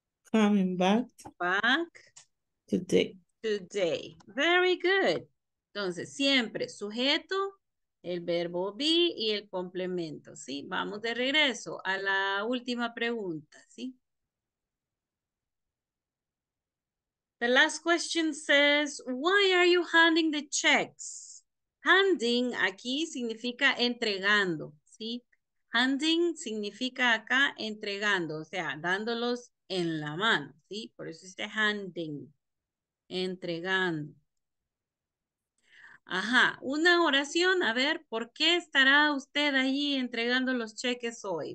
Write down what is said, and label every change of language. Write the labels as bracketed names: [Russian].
[English] coming back today. Very good. [Spanish] Entonces, siempre sujeto, el verbo be y el complemento, ¿sí? Vamos de regreso a la última pregunta, ¿sí? [English] The last question says, why are you handing the checks? [Spanish] Handing aquí significa entregando, ¿sí? Handing significa acá entregando, o sea, dándolos en la mano, ¿sí? Por eso dice handing, entregando. Ajá, una oración, a ver, ¿por qué estará usted ahí entregando los cheques hoy?